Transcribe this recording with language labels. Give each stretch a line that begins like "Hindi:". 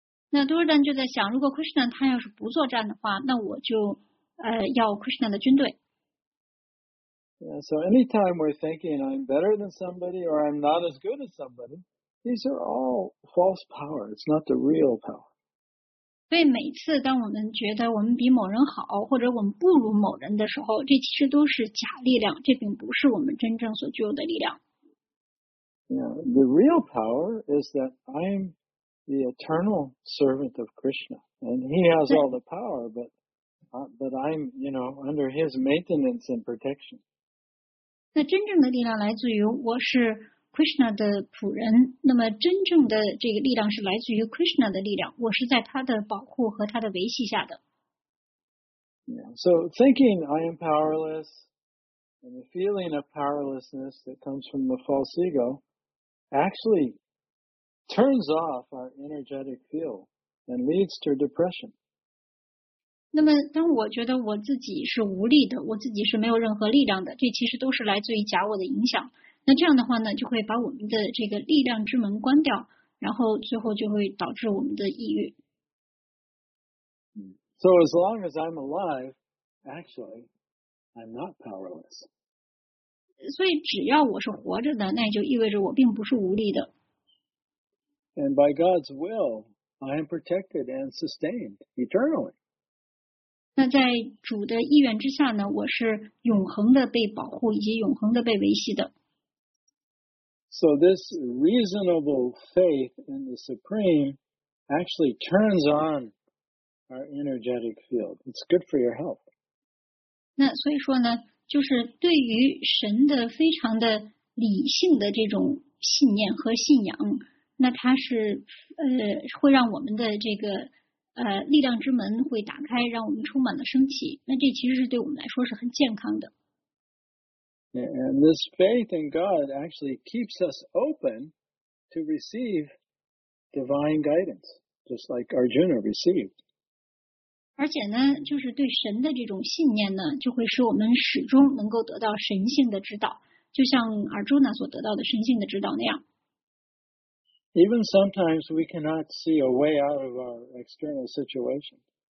Chinese: 那多尔丹就在想，如果 Krishna 他要是不作战的话，那我就要 Krishna 的军队。
English: Yeah, so anytime we're thinking I'm better than somebody or I'm not as good as somebody, these are all false power. It's not the real power.
Chinese: 所以每次当我们觉得我们比某人好或者我们不如某人的时候，这其实都是假力量，这并不是我们真正所具有的力量。
English: Yeah, the real power is that I'm the eternal servant of Krishna, and he has all the power, but I'm, you know, under his maintenance and protection.
Chinese: 那真正的力量来自于我是 Krishna 的仆人，那么真正的这个力量是来自于 Krishna 的力量，我是在他的保护和他的维系下的。
English: Yeah, so thinking I am powerless, and the feeling of powerlessness that comes from the false ego,actually turns off our energetic field and leads to depression.
Chinese: 那么当我觉得我自己是无力的，我自己是没有任何力量的，这其实都是来自于假我的影响。那这样的话呢，就会把我们的这个力量之门关掉，然后最后就会导致我们的抑郁。
English: So as long as I'm alive, actually, I'm not powerless.
Chinese: 所以只要我是活着的，那就意味着我并不是无力的。
English: And by God's will, I am protected and sustained eternally.
Chinese: 那在主的意愿之下呢，我是永恒的被保护以及永恒的被维系的。
English: So this reasonable faith in the Supreme actually turns on our energetic field. It's good for your health.
Chinese: 那所以说呢，就是对于神的非常的理性的这种信念和信仰，那它是会让我们的这个力量之门会打开，让我们充满了生气。那这其实是对我们来说是很健康的。
English: And this faith in God actually keeps us open to receive divine guidance, just like Arjuna received.
Chinese: 而且呢，就是对神的这种信念呢，就会使我们始终能够得到神性的指导，就像阿朱那所得到的神性的指导那样。
English: Even sometimes we cannot see a way out of our external situation.